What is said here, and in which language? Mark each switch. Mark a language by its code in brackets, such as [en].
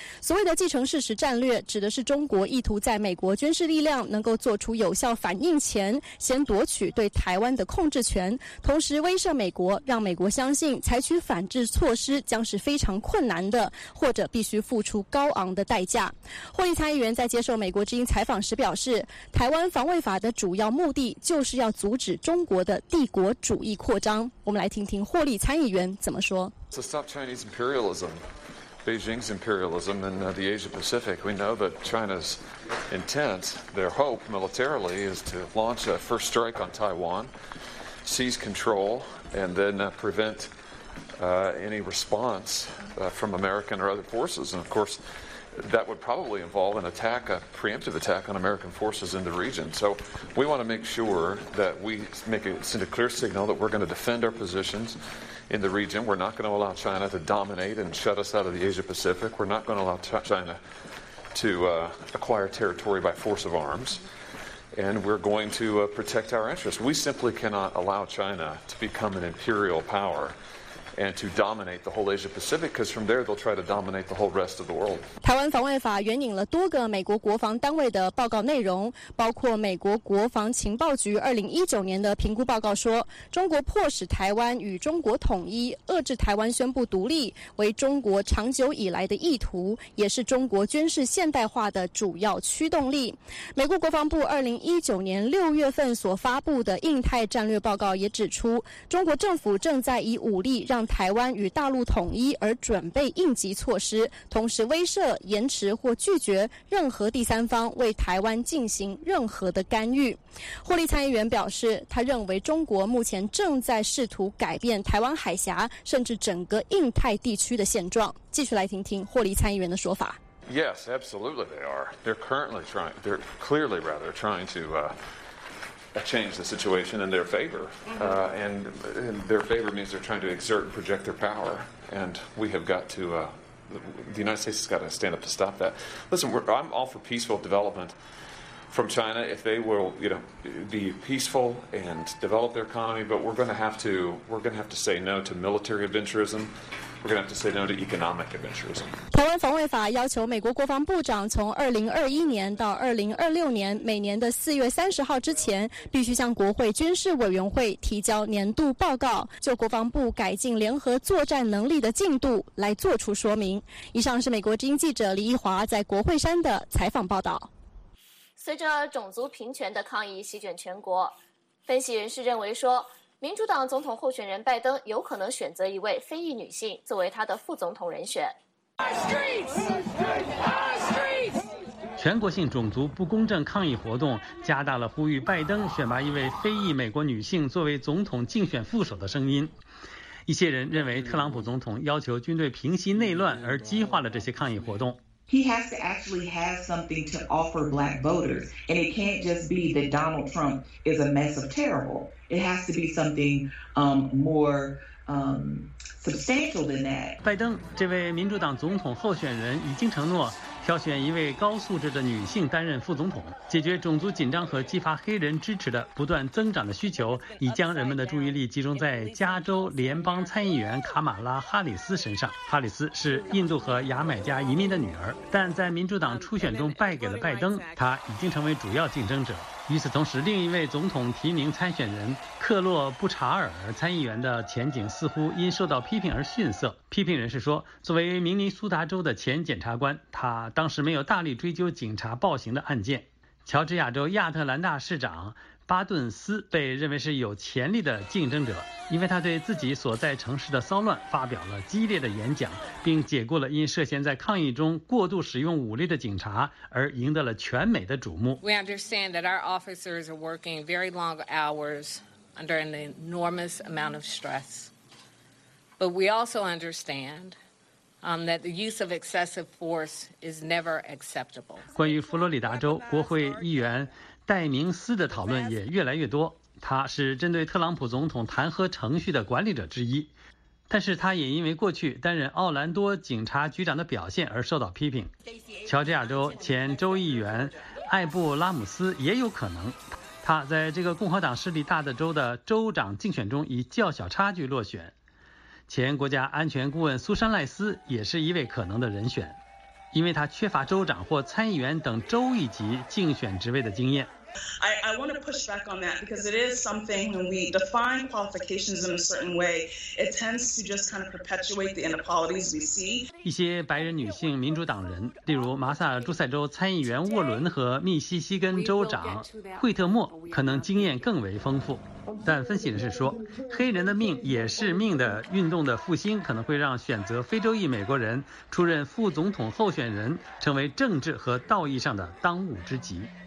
[zh] 所谓的既成事实战略，指的是中国意图在美国军事力量能够做出有效反应前，先夺取对台湾的控制权，同时威慑美国，让美国相信采取反制措施将是非常困难的，或者必须付出高昂的代价。霍利参议员在接受美国之音采访时表示，台湾防卫法的主要目的就是要阻止中国的帝国主义扩张。我们来听听霍利参议员怎么说。 [en] To stop Chinese imperialism, Beijing's imperialism in the Asia Pacific, we know that China's intent, their hope militarily, is to launch a first strike on Taiwan, seize control, and then prevent any response from American or other forces. And of course,That would probably involve an attack, a preemptive attack on American forces in the region. So we want to make sure that we make it, send a clear signal that we're going to defend our positions in the region. We're not going to allow China to dominate and shut us out of the Asia Pacific. We're not going to allow China to acquire territory by force of arms. And we're going to protect our interests. We simply cannot allow China to become an imperial power. And to dominate the whole Asia Pacific, because from there they'll try to dominate the whole rest of the world. [zh] 台湾防卫法援引了多个美国国防单位的报告内容，包括美国国防情报局2019年的评估报告说，中国迫使台湾与中国统一，遏制台湾宣布独立，为中国长久以来的意图，也是中国军事现代化的主要驱动力。美国国防部2019年6月份所发布的印太战略报告也指出，中国政府正在以武力让让台湾与大陆统一而准备应急措施，同时威慑、延迟或拒绝任何第三方为台湾进行任何的干预。霍利参议员表示，他认为中国目前正在试图改变台湾海峡甚至整个印太地区的现状。继续来听听霍利参议员的说法。 Yes, absolutely, they are. They're currently trying. They're clearly rather trying to. Change the situation in their favor. And their favor means they're trying to exert and project their power. And we have got to, the United States has got to stand up to stop that. Listen, I'm all for peaceful development from China if they will, you know, be peaceful and develop their economy. But we're going to have to say no to military adventurism. We're going to have to say no to economic adventurism. 台湾防卫法要求美国国防部长从2021年到2026年每年的4月30号之前必须向国会军事委员会提交年度报告，就国防部改进联合作战能力的进度来做出说明。以上是美国之音记者李一华在国会山的采访报道。随着种族平权的抗议席卷全国，分析人士认为说，民主党总统候选人拜登有可能选择一位非裔女性作为他的副总统人选。全国性种族不公正抗议活动加大了呼吁拜登选拔一位非裔美国女性作为总统竞选副手的声音。一些人认为特朗普总统要求军队平息内乱而激化了这些抗议活动。 [en] He has to actually have something to offer black voters. And it can't just be that Donald Trump is a mess of terrible. It has to be something more substantial than that. [zh] 拜登这位民主党总统候选人已经承诺挑选一位高素质的女性担任副总统，解决种族紧张和激发黑人支持的不断增长的需求，已将人们的注意力集中在加州联邦参议员卡马拉·哈里斯身上。哈里斯是印度和牙买加移民的女儿，但在民主党初选中败给了拜登，她已经成为主要竞争者。与此同时，另一位总统提名参选人克洛布查尔参议员的前景似乎因受到批评而逊色。批评人士说，作为明尼苏达州的前检察官，他当时没有大力追究警察暴行的案件。乔治亚州亚特兰大市长巴顿斯被认为是有潜力的竞争者，因为他对自己所在城市的骚乱发表了激烈的演讲，并解雇了因涉嫌在抗议中过度使用武力的警察，而赢得了全美的瞩目。 [en] We understand that our officers are working very long hours under an enormous amount of stress, but we also understand. That the use of excessive force is never acceptable. [zh] 关于佛罗里达州国会议员戴明斯的讨论也越来越多，他是针对特朗普总统弹劾程序的管理者之一，但是他也因为过去担任奥兰多警察局长的表现而受到批评。乔治亚州前州议员艾布拉姆斯也有可能，他在这个共和党势力大的州的州长竞选中以较小差距落选。前国家安全顾问苏珊·赖斯也是一位可能的人选，因为他缺乏州长或参议员等州一级竞选职位的经验。 [en] I want to push back on that because it is something when we define qualifications in a certain way, it tends to just kind of perpetuate the inequalities we see. [zh] 一些白人女性民主党人，例如马萨诸塞州参议员沃伦和密西西根州长惠特莫，可能经验更为丰富。但分析人士说，黑人的命也是命的运动的复兴可能会让选择非洲裔美国人出任副总统候选人成为政治和道义上的当务之急。